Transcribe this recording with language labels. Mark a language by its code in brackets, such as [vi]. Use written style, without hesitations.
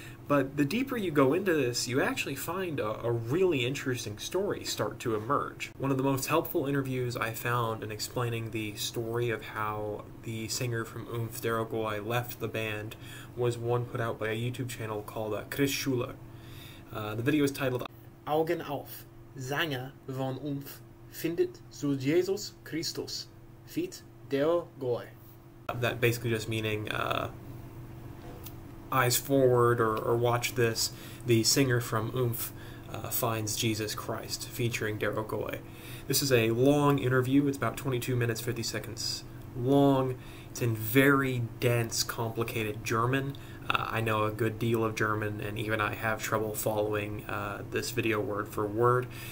[en] But the deeper you go into this, you actually find a really interesting story start to emerge. One of the most helpful interviews I found in explaining the story of how the singer from OOMPH, Dero Goi, left the band was one put out by a YouTube channel called Chris Schuler. The video is titled [de] Augen auf, Sänger von OOMPH findet zu Jesus Christus, feat Dero Goi. [en] That basically just meaning, eyes forward, or watch this, the singer from OOMPH finds Jesus Christ, featuring Dero Goi. This is a long interview. It's about 22 minutes, 50 seconds long. It's in very dense, complicated German. I know a good deal of German, and even I have trouble following this video word for word.